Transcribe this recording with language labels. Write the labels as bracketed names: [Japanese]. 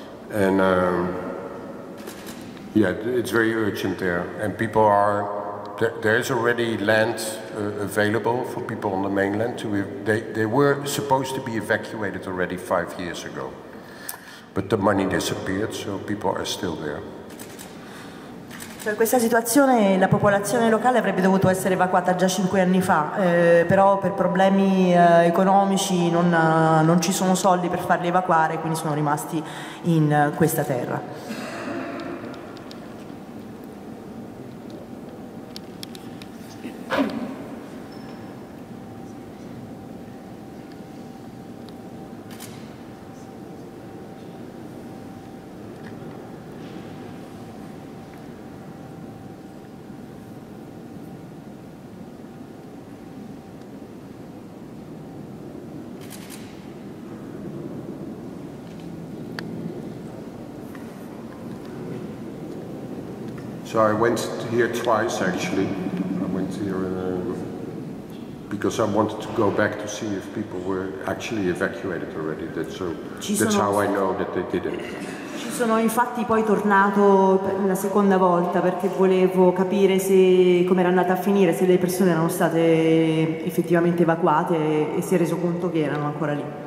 [English] And it's very urgent there. And people are, there's already land available for people on the mainland. They were supposed to be evacuated already 5 years ago. But the money disappeared, so people are still there. [Italian] Per questa situazione la popolazione locale avrebbe dovuto essere evacuata già 5 anni fa, però per problemi economici non ci sono soldi per farli evacuare, quindi sono rimasti in questa terra. [English] So I went here twice actually. I went here because I wanted to go back to see if people were actually evacuated already. That's how I know that they didn't. [Italian] Ci sono infatti poi tornato la seconda volta perché volevo capire se come era andata a finire, se le persone erano state effettivamente evacuate e si è reso conto che erano ancora lì.